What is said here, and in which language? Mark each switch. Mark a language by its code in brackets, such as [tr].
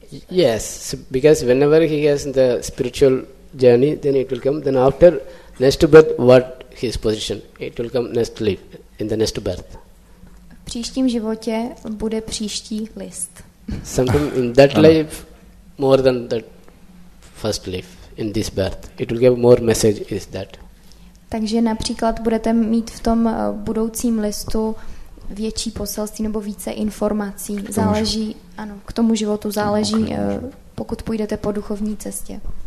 [en] Yes, so because whenever he has the spiritual journey, then it will come. Then after next birth, what his position? It will come next life, in the next birth. [cs] V příštím životě bude příští list. [en] Sometimes in that life, more than the first life, in this birth. It will give more message is that. [cs] Takže například budete mít v tom budoucím listu větší poselství nebo více informací. Záleží, ano, k tomu životu záleží, pokud půjdete po duchovní cestě.